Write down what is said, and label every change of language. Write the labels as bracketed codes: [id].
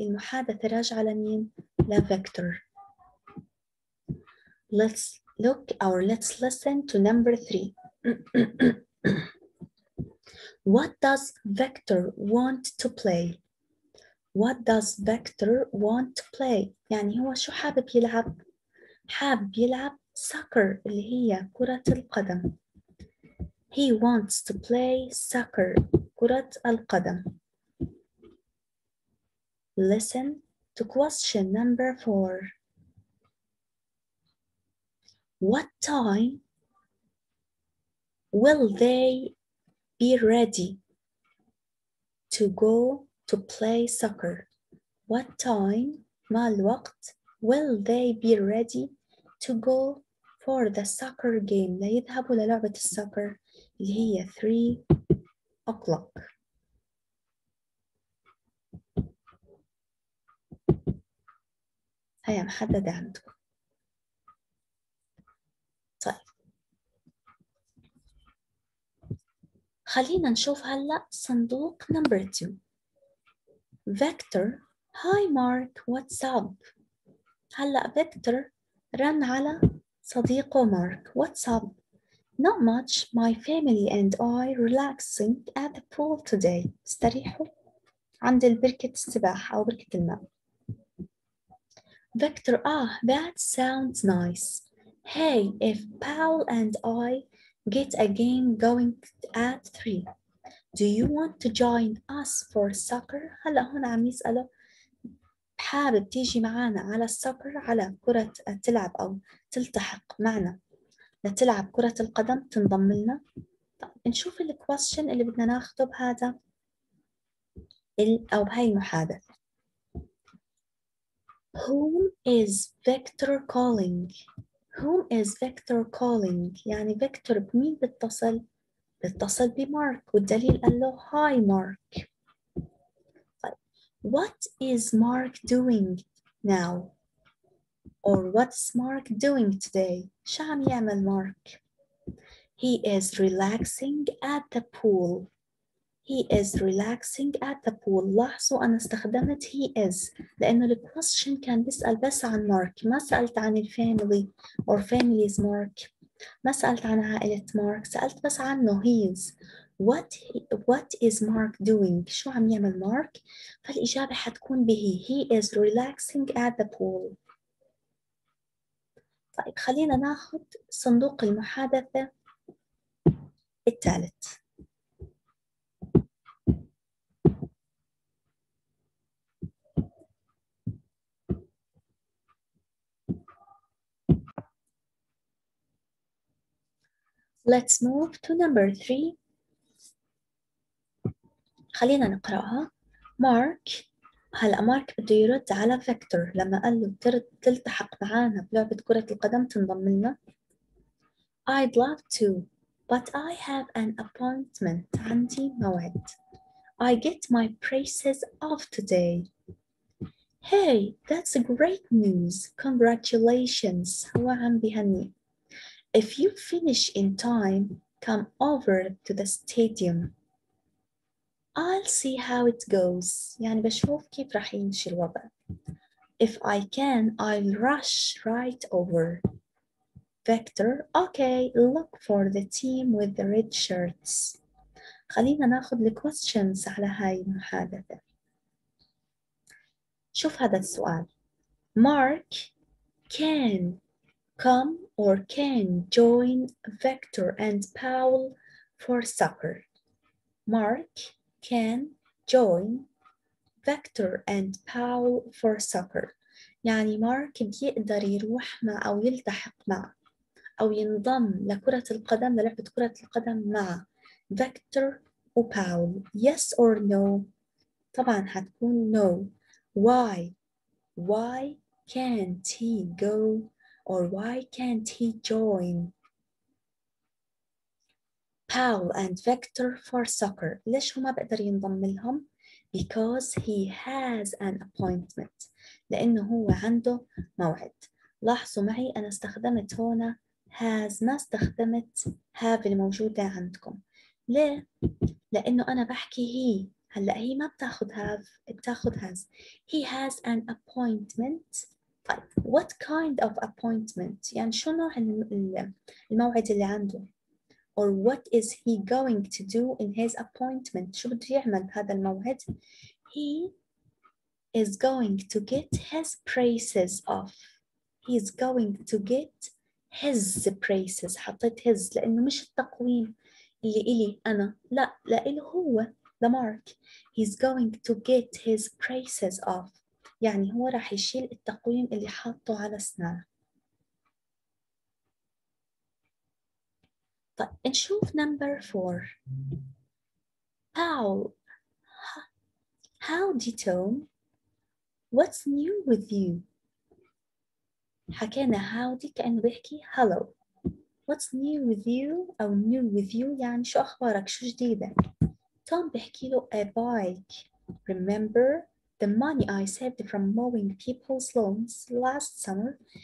[ar] المحادثة راجعة لمين? لا Vector. [en] Let's look or let's listen to number three. What does Vector want to play? What does Vector want to play? [ar] يعني هو شو حابب يلعب? حاب يلعب soccer اللي هي كرة القدم. [en] He wants to play soccer, [ar] كرة القدم. [en] Listen to question number four. What time will they be ready to go to play soccer? What time, [ar] ما الوقت, [en] will they be ready to go for the soccer game, [ar] ليذهبوا للعبة السوكر اللي هي [en] 3 o'clock. [ar] هيا محددة عندكم. طيب خلينا نشوف هلأ صندوق [en] number 2. Vector, hi Mark, what's up? [ar] هلأ Vector رن على صديقه مارك. [en] What's up? Not much. My family and I relaxing at the pool today. [ar] استريحوا عند البركة السباحة أو بركة الماء. [en] Vector, that sounds nice. Hey, if Paul and I get a game going at 3, do you want to join us for soccer? [ar] هلا هون عم يسأله حابب تيجي معنا على السكر على كرة تلعب أو تلتحق معنا لتلعب كرة القدم تنضم لنا. طيب نشوف الكويستشن اللي بدنا ناخده بهذا أو بهاي المحادثة. [en] Whom is Vector calling? Whom is Vector calling? [ar] يعني Vector بمين بتصل؟ بتصل بمارك والدليل قال له هاي مارك. [en] What is Mark doing now? Or what's Mark doing today? [ar] شو عم يعمل Mark? [en] He is relaxing at the pool. He is relaxing at the pool. [ar] لاحظوا أنا استخدمت [en] he is [ar] لأنه [en] the question [ar] كان بيسأل بس عن Mark. ما سألت عن الفاميلي [en] or family's Mark. [ar] ما سألت عن عائلة Mark. سألت بس عنه [en] he is. What is Mark doing? [ar] شو عم يعمل Mark? فالإجابة حتكون بهي. [en] He is relaxing at the pool. [ar] طيب خلينا ناخذ صندوق المحادثة الثالث. [en] Let's move to number three. [ar] خلينا نقرأها. Mark. هلا مارك بده يرد على فيكتور لما قال له ترد تلتحق معانا بلعبة كرة القدم تنضم لنا. [en] I'd love to, but I have an appointment. [ar] عندي موعد. [en] I get my braces off today. Hey, that's great news. Congratulations. [ar] هو عم بيهني. [en] If you finish in time, come over to the stadium. I'll see how it goes. [ar] يعني بشوف كيف راح يمشي الوضع. [en] If I can, I'll rush right over. Vector, okay, look for the team with the red shirts. [ar] خلينا ناخذ الكويستشنز على هاي المحادثة. شوف هذا السؤال. [en] Mark can come or can join Vector and Paul for supper. Mark can join Vector and Paul for supper. [ar] يعني مارك بيقدر يروح مع أو يلتحق مع أو ينضم لكرة القدم للعبة كرة القدم مع Vector وPaul. [en] Yes or no? [ar] طبعا هتكون no. [en] Why? Why can't he go or why can't he join Paul and Vector for soccer? [ar] ليش هو ما بقدر ينضم لهم؟ [en] Because he has an appointment. [ar] لأنه هو عنده موعد. لاحظوا معي أنا استخدمت هنا has، ما استخدمت have الموجودة عندكم. ليه؟ لأنه أنا بحكي he. هلأ هي ما بتاخد have، بتاخد has. [en] He has an appointment. [ar] طيب [en] what kind of appointment؟ [ar] يعني شو نوع الموعد اللي عنده؟ [en] Or what is he going to do in his appointment? [ar] شو بده يعمل بهذا الموعد؟ [en] He is going to get his braces off. He is going to get his braces. [ar] حطيت his لأنه مش التقويم اللي إلي أنا. لا، لإله هو، لمارك. [en] He is going to get his braces off. [ar] يعني هو راح يشيل التقويم اللي حاطه على سنانه. طيب نشوف [en] number four. Paul, howdy Tom, what's new with you? [ar] حكينا howdy كأنه بيحكي hello. [en] What's new with you [ar] أو [en] new with you [ar] يعني شو أخبارك شو جديدة. [en] Tom [ar] بيحكي له [en] a bike. Remember the money I saved from mowing people's lawns last summer.